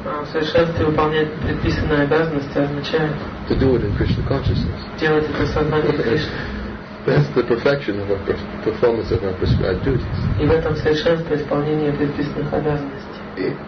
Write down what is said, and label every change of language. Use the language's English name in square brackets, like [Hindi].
[Russian] совершенно выполнять предписанные обязанности означает [English] to do it in Krishna consciousness. [Russian] Делать это в сознании Кришны. [English] That's the perfection of our performance of our prescribed duties. [Russian] И в этом совершенство исполнения предписанных обязанностей.